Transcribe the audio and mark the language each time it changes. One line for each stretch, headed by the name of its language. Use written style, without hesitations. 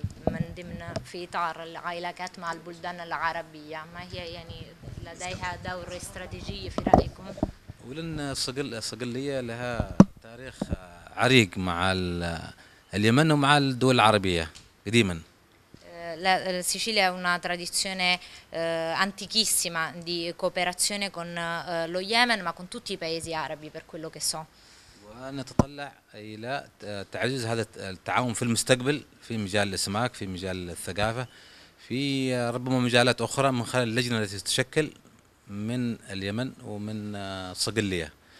Arabic: من ضمن في اطار العلاقات مع البلدان العربيه ما هي يعني لديها دور استراتيجي في رايكم؟ ولن صقليه لها تاريخ عريق مع اليمن ومع الدول العربيه قديما.
Italian: La Sicilia ha una tradizione antichissima di cooperazione con lo Yemen ma con tutti i paesi arabi per quello che so.
Arabic: نتطلع إلى تعزيز هذا التعاون في المستقبل في مجال الأسماك في مجال الثقافة في ربما مجالات أخرى من خلال اللجنة التي تتشكل من اليمن ومن صقلية.